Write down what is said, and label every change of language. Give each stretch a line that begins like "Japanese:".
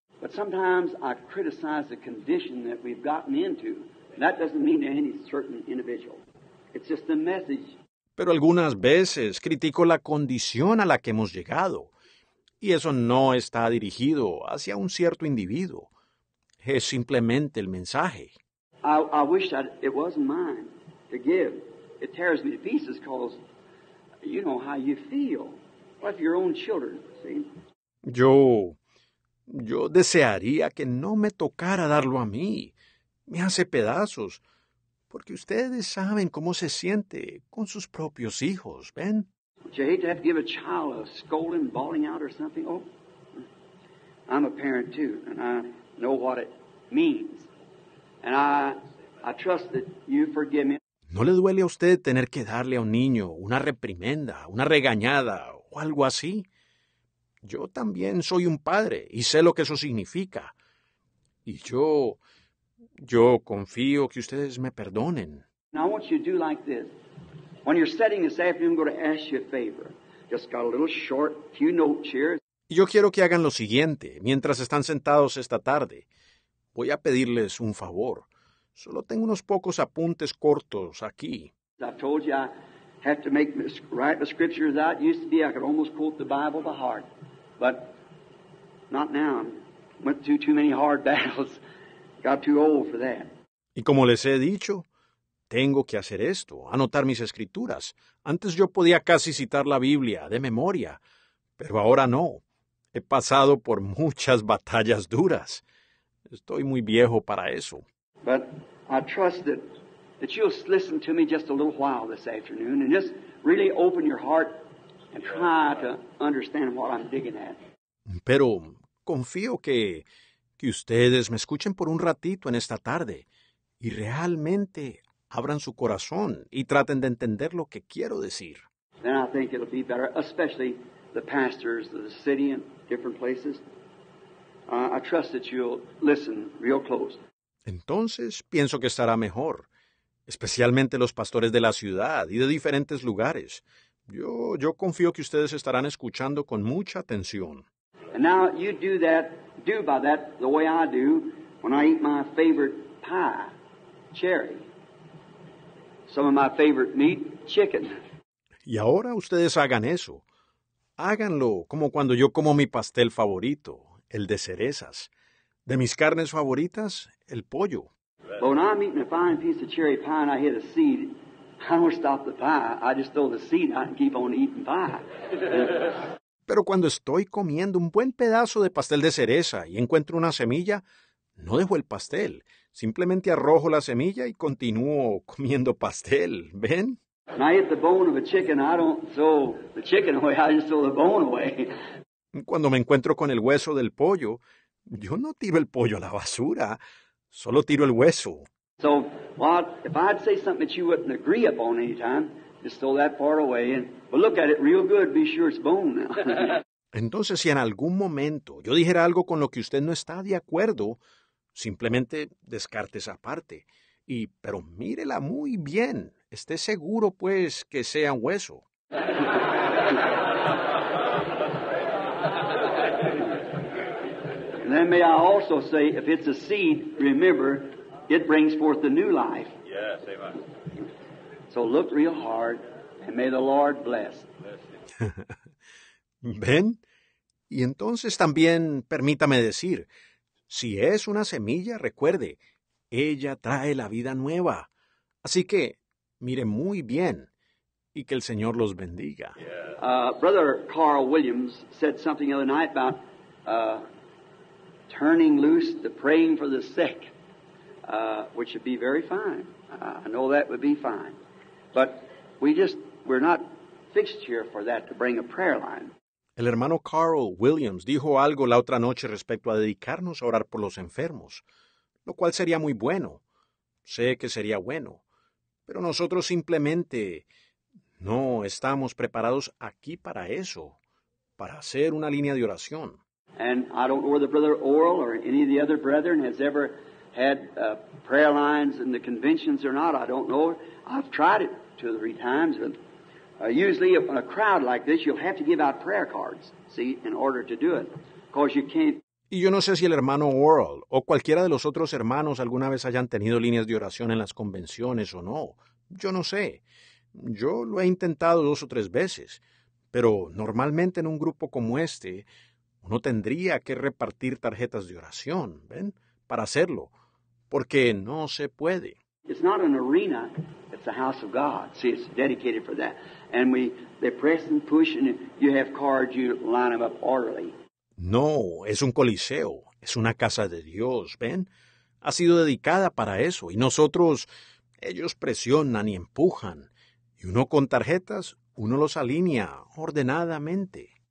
English: But sometimes I criticize the condition that we've gotten into. That doesn't mean to any certain individual. It's just the message.
Spanish: Pero algunas veces critico la condición a la que hemos llegado. Y eso no está dirigido hacia un cierto individuo. Es simplemente el mensaje.
English: I wish that it wasn't mine to give. It tears me to pieces because you know how you feel. What if your own children, see?
Spanish: Yo desearía que no me tocara darlo a mí. Me hace pedazos. Porque ustedes saben cómo se siente con sus propios hijos, ¿ven?
English: Would you hate to have to give a child a scolding, bawling out or something? Oh, I'm a parent too, and I know what it means. And I trust that you forgive me.
Spanish: ¿No le duele a usted tener que darle a un niño una reprimenda, una regañada o algo así? Yo también soy un padre y sé lo que eso significa. Y yo confío que ustedes me perdonen.
English: Now I want you to do like this. When you're studying this afternoon, I'm going to ask you a favor. Just got a little short few notes here.
Spanish: Yo quiero que hagan lo siguiente. Mientras están sentados esta tarde, voy a pedirles un favor. Solo tengo unos pocos apuntes cortos aquí.
English: I told you I have to make write the scriptures out. It used to be I could almost quote the Bible by heart, but not now. I went through too many hard battles. Got too old for that.
Spanish: Y como les he dicho, tengo que hacer esto, anotar mis escrituras. Antes yo podía casi citar la Biblia de memoria, pero ahora no. He pasado por muchas batallas duras. Estoy muy viejo para eso.
English: But I trust that you'll listen to me just a little while this afternoon and just really open your heart and try to understand what I'm digging at.
Spanish: Pero confío que ustedes me escuchen por un ratito en esta tarde y realmente abran su corazón y traten de entender lo que quiero decir.
English: Then I think it'll be better, especially the pastors of the city and different places. I trust that you'll listen real close.
Spanish: Entonces, pienso que estará mejor, especialmente los pastores de la ciudad y de diferentes lugares. Yo confío que ustedes estarán escuchando con mucha atención.
English: And now you do by that the way I do when I eat my favorite pie, cherry. Some of my favorite meat, chicken.
Spanish: Y ahora ustedes hagan eso. Háganlo como cuando yo como mi pastel favorito, el de cerezas. De mis carnes favoritas, el pollo.
English: But when I'm eating a fine piece of cherry pie and I hit a seed, I don't stop the pie. I just throw the seed out and keep on eating pie.
Spanish: Pero cuando estoy comiendo un buen pedazo de pastel de cereza y encuentro una semilla, no dejo el pastel. Simplemente arrojo la semilla y continúo comiendo pastel. ¿Ven?
English: When I hit the bone of a chicken, I don't throw the chicken away. I just throw the bone away.
Spanish: Cuando me encuentro con el hueso del pollo, yo no tiro el pollo a la basura, solo tiro el hueso.
English: So, well, if I'd say something that you wouldn't agree upon any time, just throw that part away and well, look at it real good, be sure it's bone now.
Spanish: Entonces, si en algún momento yo dijera algo con lo que usted no está de acuerdo, simplemente descarte esa parte. Pero mírela muy bien. Esté seguro, pues, que sea hueso.
English: And then may I also say, if it's a seed, remember, it brings forth the new life. Yes, amen. So look real hard, and may the Lord bless.
Spanish: ¿Ven? Y entonces también permítame decir, si es una semilla, recuerde, ella trae la vida nueva. Así que, mire muy bien, y que el Señor los bendiga.
English: Yes. Brother Carl Williams said something the other night about turning loose the praying for the sick, which would be very fine. I know that would be fine. But we're not fixed here for that to bring a prayer line.
Spanish: El hermano Carl Williams dijo algo la otra noche respecto a dedicarnos a orar por los enfermos, lo cual sería muy bueno. Sé que sería bueno. Pero nosotros simplemente no estamos preparados aquí para eso, para hacer una línea de oración.
English: And I don't know whether Brother Oral or any of the other brethren has ever had prayer lines in the conventions or not. I don't know. I've tried it two or three times, but usually in a crowd like this, you'll have to give out prayer cards, see, in order to do it, because you can't.
Spanish: Y yo no sé si el hermano Oral o cualquiera de los otros hermanos alguna vez hayan tenido líneas de oración en las convenciones o no. Yo no sé. Yo lo he intentado dos o tres veces. Pero normalmente en un grupo como este, uno tendría que repartir tarjetas de oración, ¿ven? Para hacerlo. Porque no se puede.
English: It's not an arena. It's the house of God. See, it's dedicated for that. And they press and push and you have cards, you line them up orderly.
Spanish: No, es un coliseo, es una casa de Dios, ¿ven? Ha sido dedicada para eso, y nosotros, ellos presionan y empujan, y uno con tarjetas, uno los alinea ordenadamente.